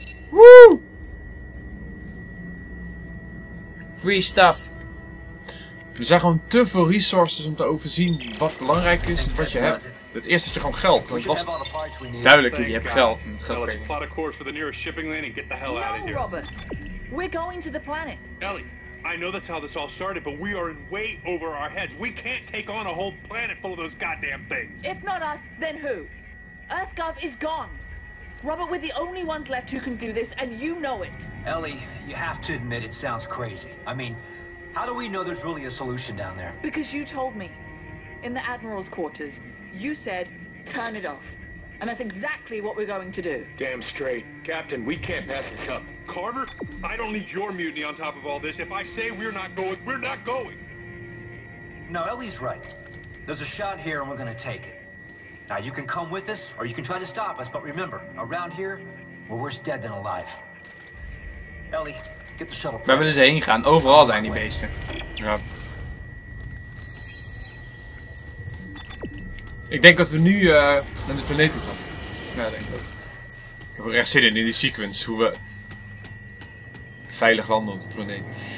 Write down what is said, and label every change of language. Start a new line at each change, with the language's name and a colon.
English: Woo! Free stuff.
Dutch: Er zijn gewoon te veel resources om te overzien wat belangrijk is en wat je hebt. Het eerste had je gewoon geld. Want was duidelijk, je hebt geld. En het geld kreeg je.
English: Plot a course for the nearest shipping lane and get the hell out of here. We're going to the planet. Ellie, I know that's how this all started, but we are in way over our heads. We can't take on a whole planet full of those goddamn things. If not us, then who? EarthGov is gone. Robert, we're the only ones left who can do this, and you know it. Ellie, you have to admit it sounds crazy. I mean, how do we know there's really a solution down there? Because you told me. In the Admiral's quarters, you said, turn it off. And that's exactly what we're going to do. Damn straight. Captain, we can't pass this up. Carver, I don't need your mutiny on top of all this. If I say we're not going, we're not going. No, Ellie's right. There's a shot here and we're gonna take it. Now, you can come with us or you can try to stop us, but remember, around here, we're worse dead than alive. Ellie, get the shuttle.
Dutch: We hebben dus heen gegaan. Overal zijn die beesten. Ja. Ik denk dat we nu naar de planeet toe gaan. Ja, denk ik ook. Oké. heb er echt zin in die sequence, hoe we veilig landen op de planeet.